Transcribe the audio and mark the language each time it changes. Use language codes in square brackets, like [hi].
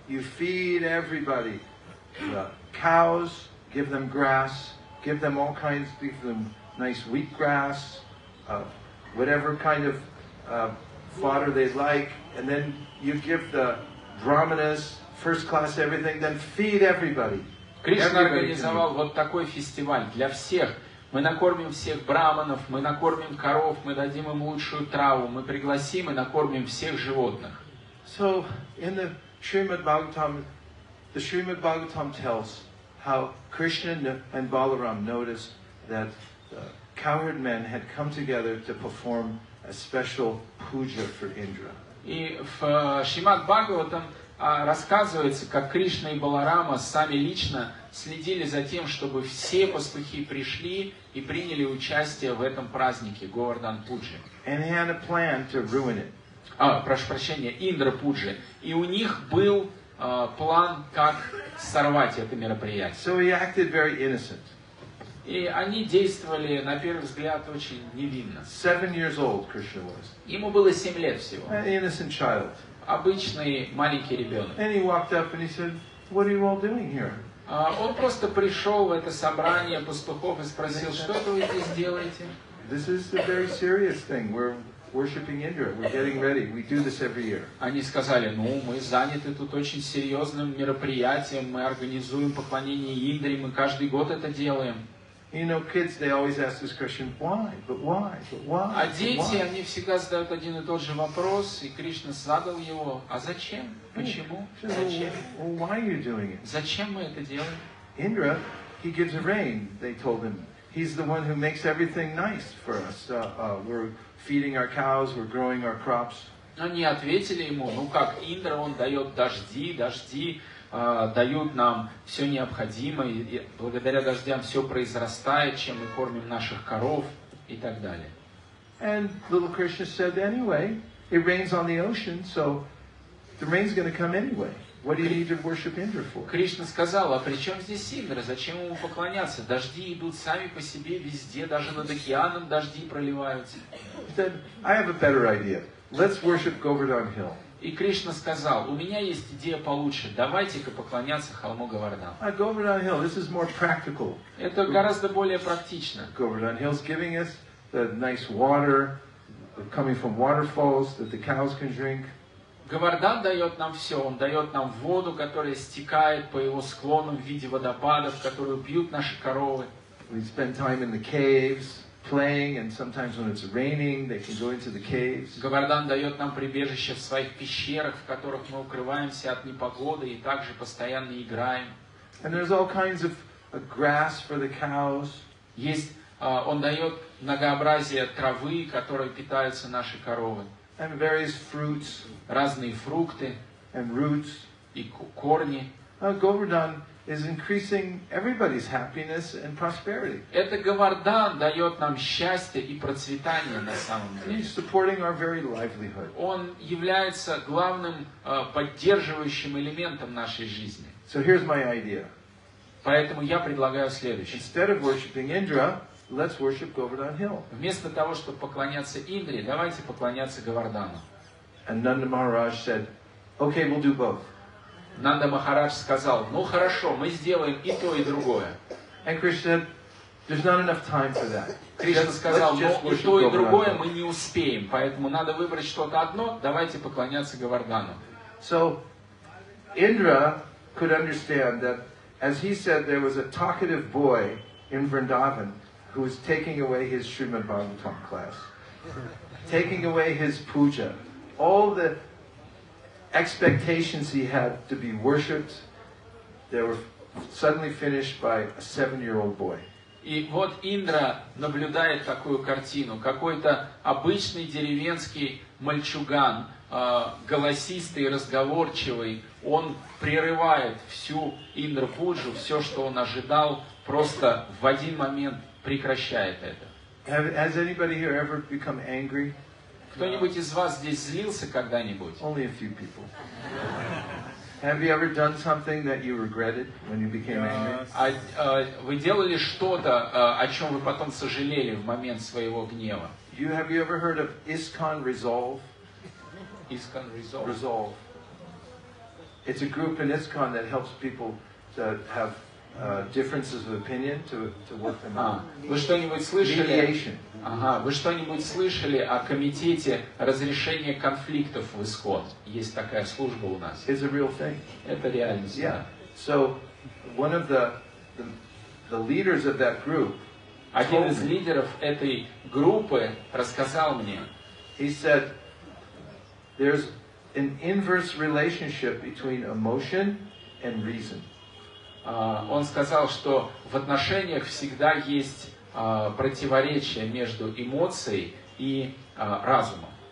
[en] You feed everybody. Cows, give them grass. Give them all kinds, give them nice wheat grass, whatever kind of fodder they like, and then you give the brahmanas, first class everything, then feed everybody. [ru] Кришна организовал вот такой фестиваль для всех. Мы накормим всех брахманов, мы накормим коров, мы дадим им лучшую траву, мы пригласим и накормим всех животных. [en] So in the Srimad Bhagavatam, the Srimad Bhagavatam tells how Krishna and Balaram noticed that the cowherd men had come together to perform a special puja for Indra. [ru] И в Шримад Бхагаватам рассказывается, как Кришна и Баларама сами лично следили за тем, чтобы все пастухи пришли и приняли участие в этом празднике Говардан Пуджи. [en] And he had a plan to ruin it. [ru] А, прошу прощения, Индра Пуджи. И у них был план, как сорвать это мероприятие. [en] So he acted very innocent. [ru] И они действовали, на первый взгляд, очень невинно. [en] 7 years old Krishna was. [ru] Ему было 7 лет всего. [en] An innocent child. [ru] Обычный маленький ребенок. [en] And he walked up and he said, "What are you all doing here?" [ru] Он просто пришел в это собрание пастухов и спросил, что вы здесь делаете? [en] This is a very serious thing. We're worshiping Indra. We're getting ready. We do this every year. [ru] Они сказали, ну, мы заняты тут очень серьезным мероприятием. Мы организуем поклонение Индре. Мы каждый год это делаем. [en] You know, kids, they always ask this question, why? But why? But why? [ru] А дети, они всегда задают один и тот же вопрос, и Кришна задал его, а зачем? Почему? Зачем? [en] Well, why are you doing it? [ru] Зачем мы это делаем? [en] Indra, he gives rain, they told him. He's the one who makes everything nice for us. We're feeding our cows, we're growing our crops. [ru] Они ответили ему, ну как, Индра, он дает дожди, дожди. Дают нам все необходимое, и благодаря дождям все произрастает, чем мы кормим наших коров и так далее. [en] And little Krishna said, anyway, it rains on the ocean, so the rain's going to come anyway. What do you need to worship Indra for? [ru] Кришна сказал, а при чем здесь Индра? Зачем ему поклоняться? Дожди идут сами по себе везде, даже над океаном дожди проливаются. [en] He said, I have a better idea. Let's worship Govardhan Hill. [ru] И Кришна сказал, у меня есть идея получше, давайте-ка поклоняться холму Говардан. Это гораздо более практично. [en] Govardhan Hill is giving us the nice water, coming from waterfalls that the cows can drink. [ru] Говардан дает нам все, он дает нам воду, которая стекает по его склонам в виде водопадов, которую пьют наши коровы. [en] We spend time in the caves. Playing, and sometimes when it's raining, they can go into the caves. [ru] Говардан дает нам прибежище в своих пещерах, в которых мы укрываемся от непогоды и также постоянно играем. [en] And there's all kinds of grass for the cows. [ru] Есть, он дает многообразие травы, которой питаются наши коровы. [en] And various fruits. [ru] Разные фрукты. [en] And roots. [ru] И корни. [en] Govardhan is increasing everybody's happiness and prosperity. [ru] Это Говардан дает нам счастье и процветание на самом деле. [en] He's supporting our very livelihood. [ru] Он является главным поддерживающим элементом нашей жизни. [en] So here's my idea. [ru] Поэтому я предлагаю следующее. [en] Instead of worshiping Indra, let's worship Govardhan Hill. [ru] Вместо того, чтобы поклоняться Индре, давайте поклоняться Говардану. [en] And Nanda Maharaj said, "Okay, we'll do both." [ru] Нанда Махарадж сказал, ну хорошо, мы сделаем и то, и другое. [en] And Krishna said, there's not enough time for that. [ru] Кришна сказал, ну и то, и другое мы не успеем, поэтому надо выбрать что-то одно, давайте поклоняться Говардану. [en] So, Indra could understand that, as he said, there was a talkative boy in Vrindavan who was taking away his Srimad Bhagavatam class, taking away his puja, all the expectations he had to be worshipped, they were suddenly finished by a 7-year-old boy. [ru] И вот Индра наблюдает такую картину. Какой-то обычный деревенский мальчуган, голосистый, разговорчивый, он прерывает всю Индра-пуджу, все, что он ожидал, просто в один момент прекращает это. [en] Has anybody here ever become angry? [ru] Кто-нибудь из вас здесь злился когда-нибудь? [en] Only a few people. Have you ever done something that you regretted when you became angry? [ru] Вы делали что-то, о чем вы потом сожалели в момент своего гнева? [en] Have you ever heard of ISKCON Resolve? ISKCON Resolve. Resolve. It's a group in ISKCON that helps people to have differences of opinion to work them out. [ru] Вы что-нибудь слышали? [en] Mediation. [ru] Ага, вы что-нибудь слышали о комитете разрешения конфликтов в Исход? Есть такая служба у нас. [en] It's a real thing. [ru] Это реальность. [en] Yeah. So one of the leaders of that group, [ru] один из лидеров этой группы рассказал мне. [en] He said there's an inverse relationship between emotion and reason. [ru] Он сказал, что в отношениях всегда есть противоречие между эмоцией и разумом.